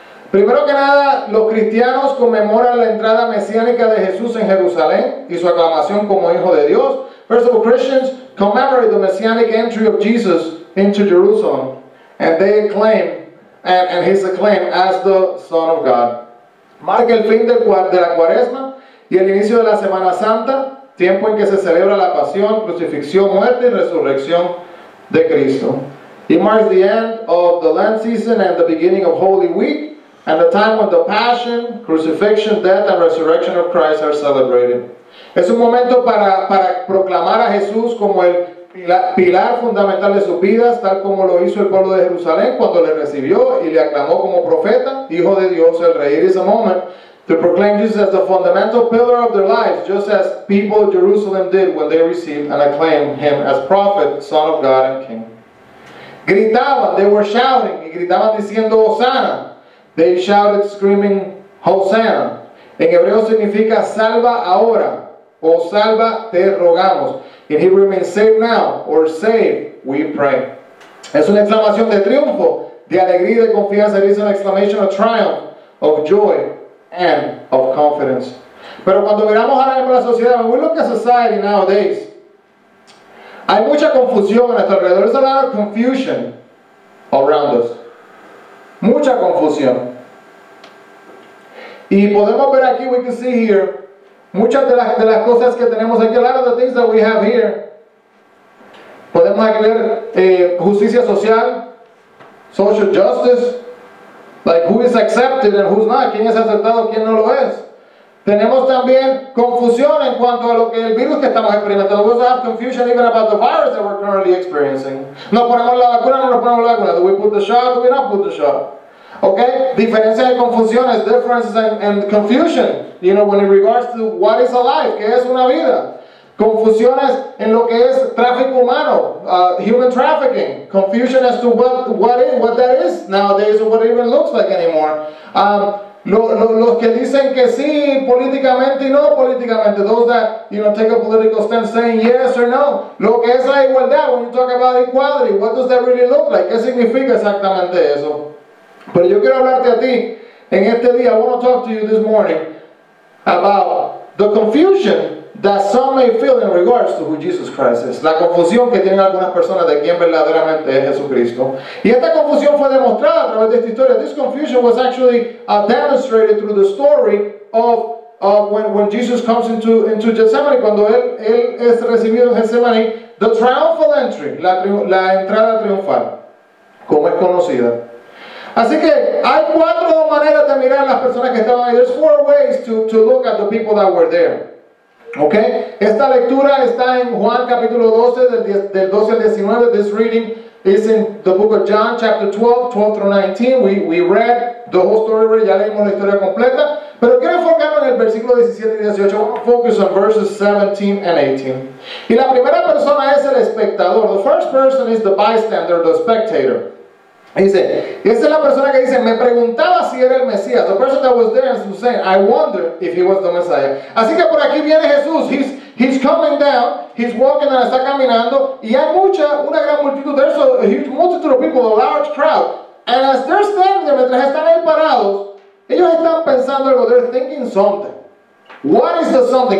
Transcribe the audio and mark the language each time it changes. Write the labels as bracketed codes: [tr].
[es] Primero que nada, los cristianos conmemoran la entrada mesiánica de Jesús en Jerusalén y su aclamación como Hijo de Dios. [en] First of all, Christians commemorate the messianic entry of Jesus into Jerusalem, and they claim, and his acclaim as the Son of God. [es] Marca el fin de la cuaresma y el inicio de la Semana Santa, tiempo en que se celebra la pasión, crucifixión, muerte y resurrección de Cristo. [en] It marks the end of the Lent season and the beginning of Holy Week, and the time when the passion, crucifixion, death and resurrection of Christ are celebrated. [es] Es un momento para proclamar a Jesús como el pilar fundamental de sus vidas, tal como lo hizo el pueblo de Jerusalén cuando le recibió y le aclamó como profeta, hijo de Dios, el rey. [en] It is a moment to proclaim Jesus as the fundamental pillar of their lives, just as people of Jerusalem did when they received and acclaimed him as prophet, son of God and king. [es] Gritaban, [en] they were shouting, [es] y gritaban diciendo Hosanna. [en] They shouted screaming Hosanna. [es] En hebreo significa salva ahora, o salva te rogamos. [en] In Hebrew it means save now, or save we pray. [es] Es una exclamación de triunfo, de alegría y de confianza. [en] It is an exclamation of triumph, of joy, and of confidence. [es] Pero cuando miramos ahora mismo la sociedad, [en] when we look at society nowadays, [es] hay mucha confusión a nuestro alrededor. [en] There's a lot of confusion around us. [es] Mucha confusión. Y podemos ver aquí, [en] we can see here, [es] muchas de las cosas que tenemos aquí, [en] a lot of the things that we have here, [es] podemos aquí ver justicia social, [en] social justice, like who is accepted and who's not, [es] quién es aceptado, quién no lo es. Tenemos también confusión en cuanto a lo que el virus que estamos experimentando. [en] We also have confusion even about the virus that we're currently experiencing. [es] Nos ponemos la vacuna, [en] no nos ponemos la vacuna. Do we put the shot, do we not put the shot? Okay, [es] diferencias y confusiones, [en] differences and confusion, you know, when in regards to what is a life, [es] que es una vida. Confusiones en lo que es tráfico humano, human trafficking. [en] Confusion as to what that is nowadays, or what it even looks like anymore. [es] Los que dicen que sí políticamente y no políticamente, [en] those that, you know, take a political stance saying yes or no. [es] Lo que es la igualdad, [en] when you talk about equality, what does that really look like? [es] ¿Qué significa exactamente eso? Pero yo quiero hablarte a ti en este día. [en] I want to talk to you this morning about the confusion that some may feel in regards to who Jesus Christ is. [es] La confusión que tienen algunas personas de quién verdaderamente es Jesucristo. Y esta confusión fue demostrada a través de esta historia. [en] This confusion was actually demonstrated through the story of when Jesus comes into Gethsemane. [es] Cuando él es recibido en Gethsemane, [en] the triumphal entry, [es] la entrada triunfal, como es conocida. Así que hay cuatro maneras de mirar a las personas que estaban ahí. [en] There's four ways to look at the people that were there. Okay? [es] Esta lectura está en Juan capítulo 12, del 12 al 19. [en] This reading is in the book of John chapter 12 through 19. We read the whole story, [es] ya leímos la historia completa. Pero quiero enfocarme en el versículo 17 y 18. [en] I want to focus on verses 17 and 18. [es] Y la primera persona es el espectador. [en] The first person is the bystander, the spectator. [es] Dice, esa es la persona que dice, me preguntaba si era el Mesías. [en] The person that was there and was saying, I wonder if he was the Messiah. [es] Así que por aquí viene Jesús. [en] He's coming down, he's walking and [es] está caminando. Y hay una gran multitud. [en] There's a huge multitude of people, a large crowd. And as they're standing there, [es] mientras están ahí parados, ellos están pensando algo, [en] they're thinking something. What is the something?